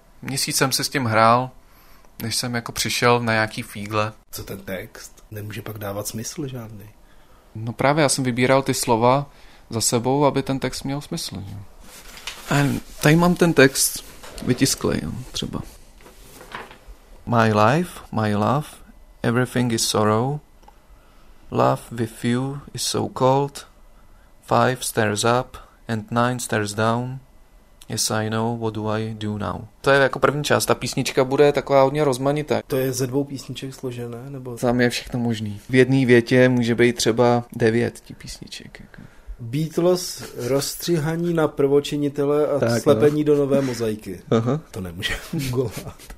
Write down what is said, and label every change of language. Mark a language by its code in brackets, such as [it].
[cs] Měsíc jsem si s tím hrál, než jsem jako přišel na nějaký fígle. Co ten text? Nemůže pak dávat smysl žádný. No právě, já jsem vybíral ty slova za sebou, aby ten text měl smysl. Jo. A tady mám ten text vytisklý, jo, třeba. [en] My life, my love, everything is sorrow. Love with you is so cold. 5 stairs up and 9 stairs down. Yes, I know, what do I do now? [cs] To je jako první část, ta písnička bude taková hodně rozmanitá. To je ze dvou písniček složené, nebo? Tam je všechno možný. V jedné větě může být třeba 9 těch písniček, jako. Beatles, rozstřihaní na prvočinitele a tak, slepení, no, do nové mozaiky. Aha. To nemůže fungovat.